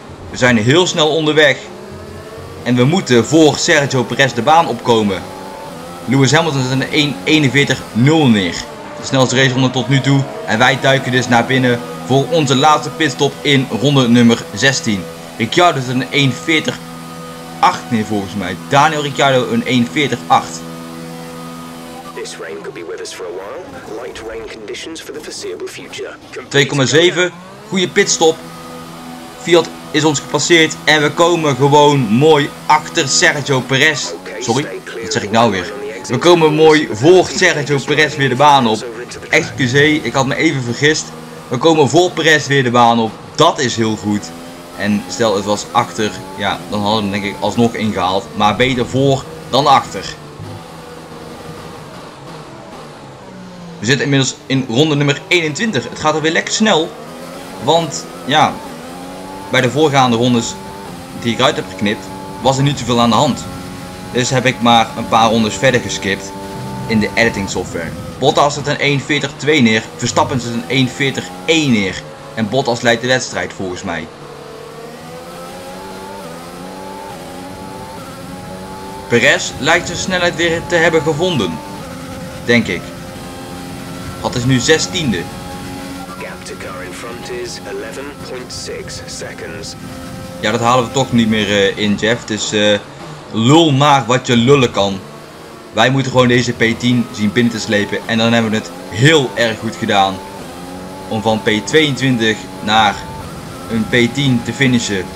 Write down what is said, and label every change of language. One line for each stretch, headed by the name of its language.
Dutch: We zijn heel snel onderweg. En we moeten voor Sergio Perez de baan opkomen. Lewis Hamilton zet een 1.41.0 neer. De snelste race ronde tot nu toe. En wij duiken dus naar binnen voor onze laatste pitstop in ronde nummer 16. Ricciardo is een 1.40.8 neer volgens mij. Daniel Ricciardo een 1.40.8.
English: This rain could be with us for a while. Light rain conditions for the foreseeable future.
Dutch: 2.7. Goede pitstop. Fiat is ons gepasseerd. En we komen gewoon mooi achter Sergio Perez. Sorry, wat zeg ik nou weer? We komen mooi voor Sergio Perez weer de baan op. Excusez, ik had me even vergist. We komen voor Perez weer de baan op. Dat is heel goed. En stel het was achter, ja, dan hadden we hem denk ik alsnog ingehaald. Maar beter voor dan achter. We zitten inmiddels in ronde nummer 21. Het gaat alweer lekker snel. Want, ja, bij de voorgaande rondes die ik uit heb geknipt, was er niet zoveel aan de hand. Dus heb ik maar een paar rondes verder geskipt in de editing software. Bottas zet een 1.40.2 neer. Verstappen zet een 1.40.1 neer. En Bottas leidt de wedstrijd volgens mij. Perez lijkt zijn snelheid weer te hebben gevonden. Denk ik. Dat is nu 16e.
English: Gap to car in front is 11.6 seconds.
Dutch: Ja, dat halen we toch niet meer in, Jeff. Dus lul maar wat je lullen kan. Wij moeten gewoon deze P10 zien binnen te slepen. En dan hebben we het heel erg goed gedaan. Om van P22 naar een P10 te finishen.